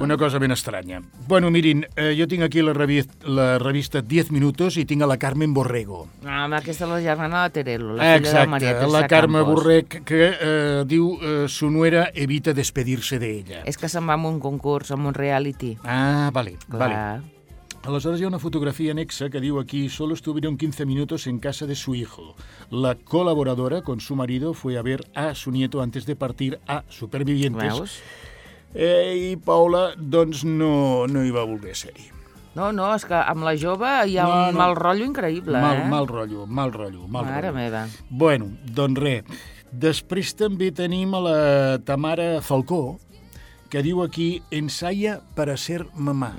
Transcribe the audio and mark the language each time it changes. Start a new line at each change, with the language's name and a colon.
Catalan: Una cosa ben estranya. Bueno, mirin, jo tinc aquí la revista 10 Minutos i tinc a la Carmen Borrego. Amb aquesta la germana de Terelo, la filla de Maria Teresa. Exacte, la Carme Borrec, que diu
Spanish: su nuera evita
Catalan: despedir-se d'ella. És que se'n va en un concurs, en un reality. Ah, vale, clar. Vale. Aleshores, hi ha una fotografia anexa que diu aquí:
Spanish: solo estuvieron 15 minutos en casa de su hijo. La colaboradora con su marido fue a ver a su nieto antes de partir a Supervivientes.
Catalan: Veus? I Paula, doncs, no hi va voler ser-hi. No, és que amb la jove hi ha un mal rotllo increïble, Mal rotllo. Mare meva. Bueno, doncs res. Després també tenim a la Tamara Falcó, que diu aquí,
Spanish: ensaya para ser mamá.